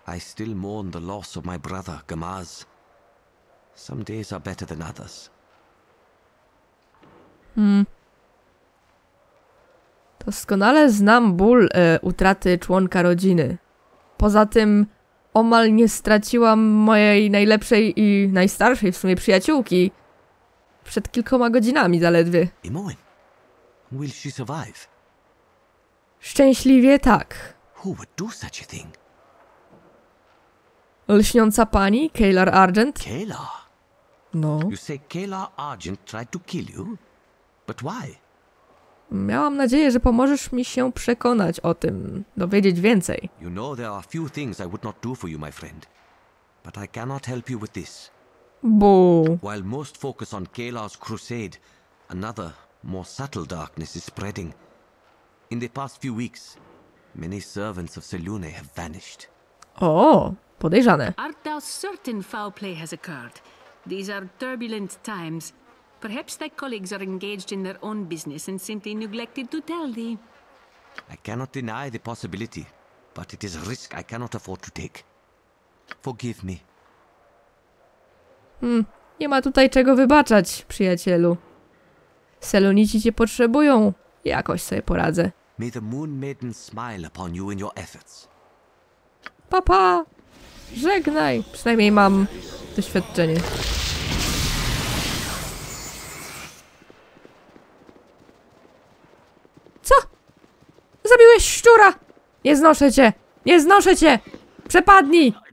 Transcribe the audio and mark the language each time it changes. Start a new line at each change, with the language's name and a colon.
English: I still mourn the loss of my brother, Gamaz. Some days are better than others.
Polish: Doskonale znam ból utraty członka rodziny. Poza tym, omal nie straciłam mojej najlepszej i najstarszej w sumie przyjaciółki. Przed kilkoma godzinami zaledwie.
English: Imoen, will she survive?
Polish: Szczęśliwie tak.
English: Who would do such a thing?
Polish: Lśniąca pani, Kaelar Argent. Kaelar? No.
English: You say Kaelar Argent tried to kill you? But why?
Polish: Miałam nadzieję, że pomożesz mi się przekonać o tym, dowiedzieć więcej.
English: You know there are few things I would not do for you, my friend. But I cannot help you with this. Boo. While most focus on Kaelar's crusade, another, more subtle darkness is spreading. In the past few weeks, many servants of Selune have vanished. Oh.
Polish: Podejrzane.
English: Art thou certain foul play has occurred? These are turbulent times. Perhaps thy colleagues are engaged in their own business and simply neglected to tell thee. I cannot deny the possibility, but it is a risk I cannot afford to take. Forgive me.
Polish: Nie ma tutaj czego wybaczać, przyjacielu. Selunici cię potrzebują. Jakoś sobie poradzę.
English: May the moon maiden smile upon you in your efforts.
Polish: Pa, pa. Żegnaj! Przynajmniej mam doświadczenie. Co? Zabiłeś szczura! Nie znoszę cię! Nie znoszę cię! Przepadnij!